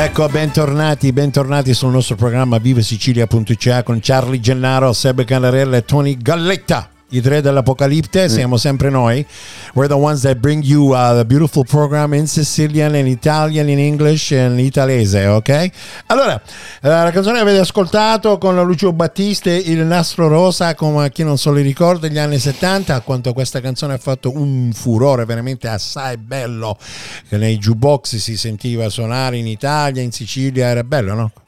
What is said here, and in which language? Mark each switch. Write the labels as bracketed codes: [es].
[it] Bentornati, bentornati sul nostro programma vivesicilia.ca con Charlie Gennaro, Seb Canarella e Tony Galletta, i tre dell'apocalipte. Siamo sempre noi. [en] We're the ones that bring you the beautiful program in Sicilian, in Italian, in English and in italese, ok? [it] Allora, la canzone che avete ascoltato con Lucio Battiste, Il Nastro Rosa, come chi non se lo ricorda, gli anni 70, a quanto questa canzone ha fatto un furore veramente assai bello, che nei jukebox si sentiva suonare in Italia, in Sicilia, era bello, no?